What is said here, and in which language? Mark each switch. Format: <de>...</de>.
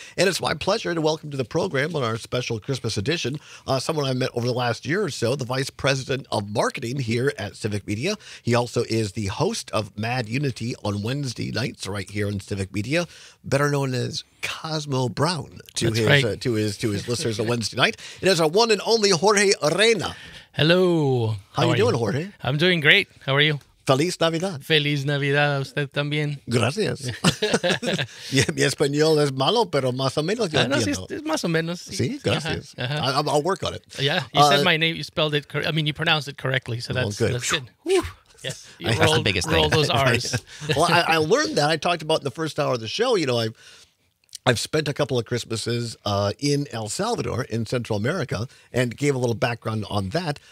<en>And it's my pleasure to welcome to the program on our special Christmas edition, someone I met over the last year or so, the Vice President of Marketing here at Civic Media. He also is the host of Mad Unity on Wednesday nights right here in Civic Media, better known as Cosmo Brown to his listeners on Wednesday night. It is our one and only Jorge Reyna. Hello. How are you doing, Jorge? I'm doing great. How are you?</en> <es>Feliz Navidad. Feliz Navidad a usted también. Gracias. Mi español es malo, pero más o menos yo entiendo. Es más o menos. Sí, gracias.</es> <en>Uh-huh. I'll work on it. Yeah, you said my name. You spelled it. You pronounced it correctly. So that's good. Yes, that's the biggest thing. Roll those R's. Well, I learned that. I talked about in the first hour of the show. You know, I've spent a couple of Christmases in El Salvador, in Central America, and gave a little background on that.</en>